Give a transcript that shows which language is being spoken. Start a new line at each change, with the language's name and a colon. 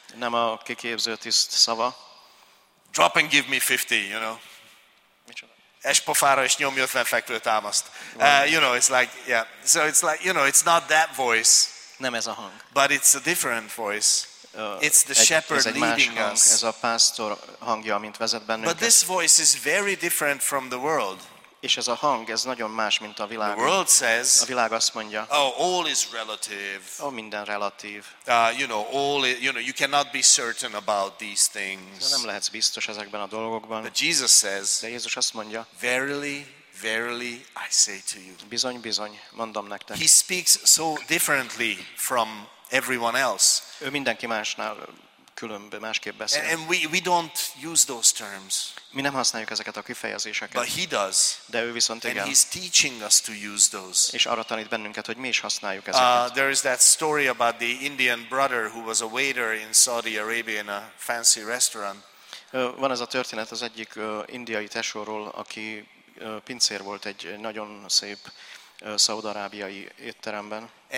Hungarian: Nem a kiképzőtiszt szava.
English: Drop and give me 50, you know.
Hungarian: Espofára és nyomj 50 fekvő támaszt.
English: You know, it's like, yeah. So it's like, you know, it's not that voice.
Hungarian: Nem ez a hang.
English: But it's a different voice. It's the shepherd leading
Hungarian: hang,
English: us.
Hungarian: Ez a pásztor hangja, amint vezet bennünket.
English: But this voice is very different from the world.
Hungarian: És ez a hang, ez nagyon más, mint a világ.
English: The world says,
Hungarian: a világ azt mondja,
English: oh, all is relative.
Hungarian: Oh, minden relatív.
English: You know, all is, you know, you cannot be certain about these things.
Hungarian: De nem lehetsz biztos ezekben a dolgokban.
English: But Jesus says,
Hungarian: de Jézus azt mondja,
English: verily, verily, I say to you.
Hungarian: Bizony, bizony, mondom nektek.
English: He speaks so differently from everyone else.
Hungarian: Ő mindenki másnál különb, másképp beszél.
English: And we don't use those terms.
Hungarian: Mi nem használjuk ezeket a kifejezéseket.
English: But he does.
Hungarian: De ő viszont igen.
English: And he's teaching us to use those.
Hungarian: És arra tanít bennünket, hogy mi is használjuk ezeket.
English: There is that story about the Indian brother who was a waiter in Saudi Arabia in a fancy restaurant.
Hungarian: Van ez a történet az egyik indiai tesóról, aki pincér volt egy nagyon szép szaudarábiai étteremben.